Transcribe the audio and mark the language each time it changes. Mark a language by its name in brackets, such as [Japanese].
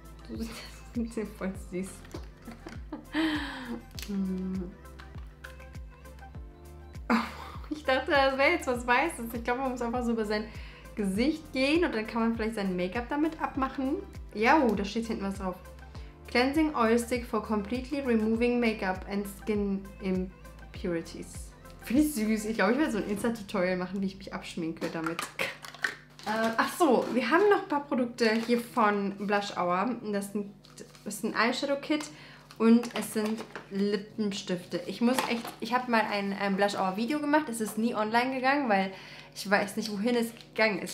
[German] So sieht das ein bisschen voll süß. Ich dachte, das wäre jetzt was Weißes. Ich glaube, man muss einfach so über sein Gesicht gehen und dann kann man vielleicht sein Make-up damit abmachen. Ja, oh, da steht hinten was drauf. [English] Cleansing Oil Stick for Completely Removing Make-up and Skin Impurities. [German] Finde ich süß. Ich glaube, ich werde so ein Insta-Tutorial machen, wie ich mich abschminke damit. Ach so, wir haben noch ein paar Produkte hier von Blush Hour. Das sind Es ist ein Eyeshadow-Kit und es sind Lippenstifte. Ich muss echt, ich habe mal ein Blush-Hour-Video gemacht. Es ist nie online gegangen, weil ich weiß nicht, wohin es gegangen ist.